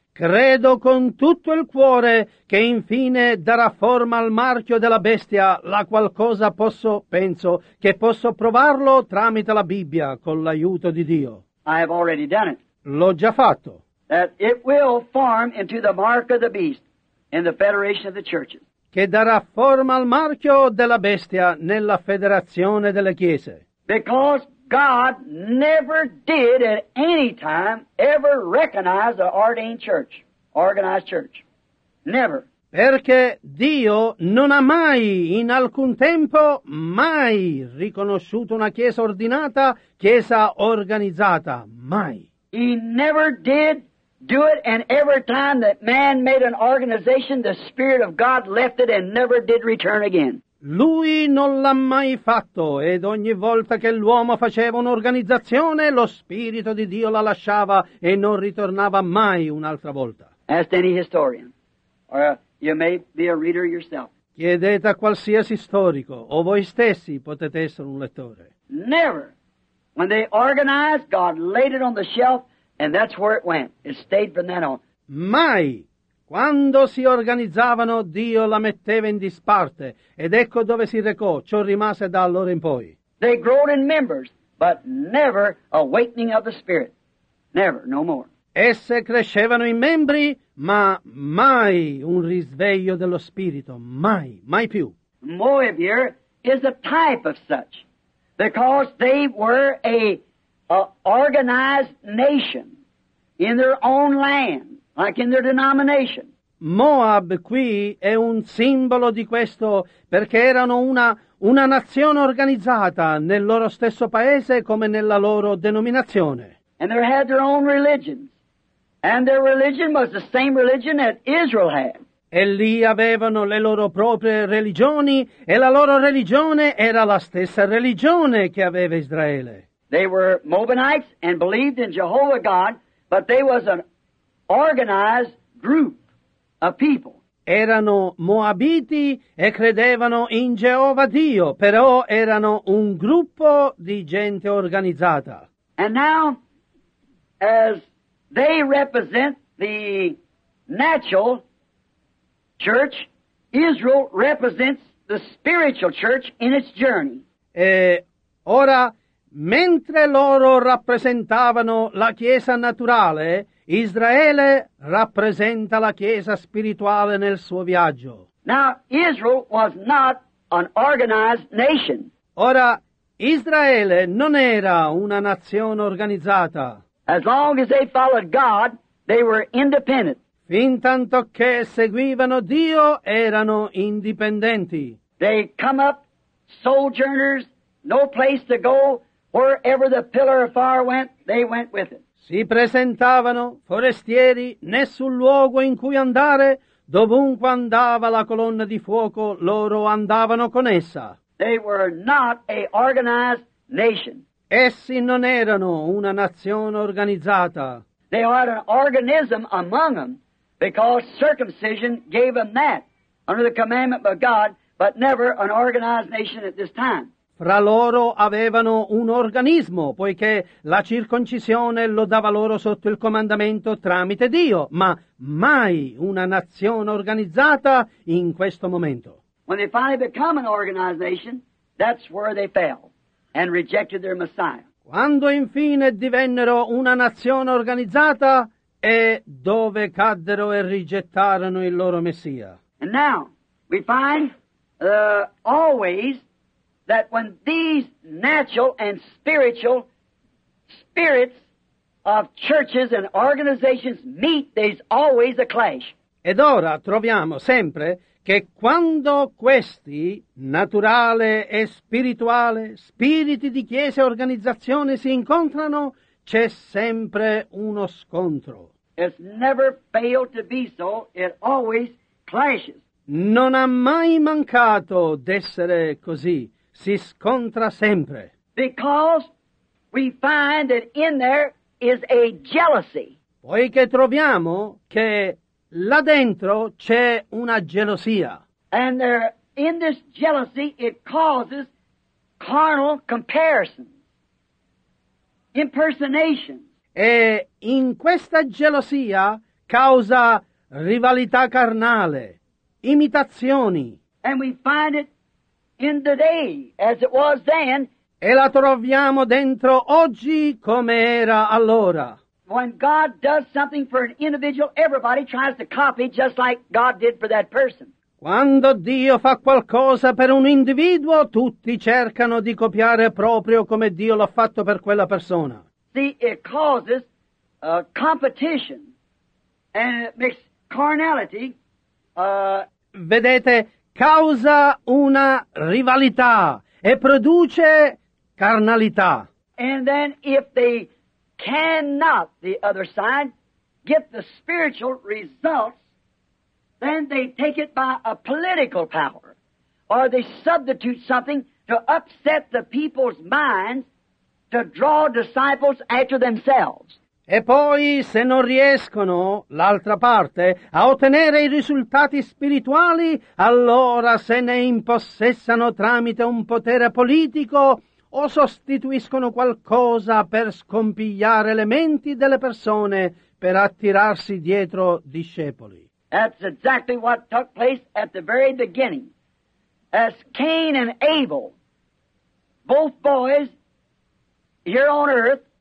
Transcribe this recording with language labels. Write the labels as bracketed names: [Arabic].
[Italian] Credo con tutto il cuore che infine darà forma al marchio della bestia, la qualcosa posso, penso, che posso provarlo tramite la Bibbia con l'aiuto di Dio. [English] I have already done it. [Italian] L'ho già fatto. [English] That it will form into the mark of the beast in the federation of the churches. [Italian] Che darà forma al marchio della bestia nella federazione delle chiese. [English] Because God never did at any time ever recognize an ordained church, organized church. Never. [Italian] Perché Dio non ha mai, in alcun tempo, mai riconosciuto una chiesa ordinata, chiesa organizzata. Mai. [English] He never did do it, and every time that man made an organization, the Spirit of God left it and never did return again. [Italian] Lui non l'ha mai fatto, ed ogni volta che l'uomo faceva un'organizzazione, lo Spirito di Dio la lasciava e non ritornava mai un'altra volta. [English] Ask any historian, or you may be a reader yourself. [Italian] Chiedete a qualsiasi storico, o voi stessi potete essere un lettore. [English] Never. When they organized, God laid it on the shelf, and that's where it went. It stayed from then on. [Italian] Mai. Quando si organizzavano, Dio la metteva in disparte, ed ecco dove si recò, ciò rimase da allora in poi. [English] They grew in members, but never awakening of the Spirit. Never, no more. [Italian] Esse crescevano in membri, ma mai un risveglio dello Spirito, mai, mai più. [English] Moab here is a type of such, because they were a organized nation in their own land. Like in their denomination. [Italian] Moab qui è un simbolo di questo perché erano una nazione organizzata nel loro stesso paese come nella loro denominazione. [English] And they had their own religions. And their religion was the same religion that Israel had. [Italian] E lì avevano le loro proprie religioni e la loro religione era la stessa religione che aveva Israele. [English] They were Moabites and believed in Jehovah God, but they was an organized group of people. [Italian] Erano Moabiti e credevano in Geova Dio, però erano un gruppo di gente organizzata. [English] And now, as they represent the natural church, Israel represents the spiritual church in its journey. [Italian] E ora, mentre loro rappresentavano la chiesa naturale, Israele rappresenta la chiesa spirituale nel suo viaggio. [English] Now, Israel was not an organized nation. [Italian] Ora, Israele non era una nazione organizzata. [English] As long as they followed God, they were independent. [Italian] Fin tanto che seguivano Dio, erano indipendenti. [English] They come up, sojourners, no place to go, wherever the pillar of fire went, they went with it. [Italian] Si presentavano forestieri, nessun luogo in cui andare, dovunque andava la colonna di fuoco, loro andavano con essa. [English] They were not a organized nation. [Italian] Essi non erano una nazione organizzata. [English] They had an organism among them, Because circumcision gave them that under the commandment of God, but never an organized nation at this time. [Italian] Fra loro avevano un organismo, poiché la circoncisione lo dava loro sotto il comandamento tramite Dio, ma mai una nazione organizzata in questo momento. [English] When they finally become an organized nation, that's where they fell and rejected their Messiah. [Italian] Quando infine divennero una nazione organizzata, è dove caddero e rigettarono il loro Messia. [English] And now we find always that when these natural and spiritual spirits of churches and organizations meet, there's always a clash. [Italian] Ed ora troviamo sempre che quando questi, naturale e spirituale, spiriti di chiesa e organizzazione si incontrano, c'è sempre uno scontro. [English] It's never failed to be so. It always clashes. [Italian] Non ha mai mancato d'essere così. Si scontra sempre. [English] Because we find that in there is a jealousy. [Italian] Poiché troviamo che là dentro c'è una gelosia. [English] And there, in this jealousy, it causes carnal comparison, impersonation. [Italian] E in questa gelosia causa rivalità carnale, imitazioni. [English] And we find it in the day, as it was then. [Italian] E la troviamo dentro oggi come era allora. [English] When God does something for an individual, everybody tries to copy just like God did for that person. [Italian] Quando Dio fa qualcosa per un individuo, tutti cercano di copiare proprio come Dio l'ha fatto per quella persona. [English] See, it causes competition and it makes carnality. [Italian] Vedete, causa una rivalità e produce carnalità. [English] And then if they cannot, the other side, get the spiritual results, then they take it by a political power. Or they substitute something to upset the people's minds to draw disciples after themselves. [Italian] E poi, se non riescono, l'altra parte, a ottenere i risultati spirituali, allora se ne impossessano tramite un potere politico, o sostituiscono qualcosa per scompigliare le menti delle persone per attirarsi dietro discepoli. [English] That's exactly what took place at the very beginning. As Cain and Abel, both boys, here on earth.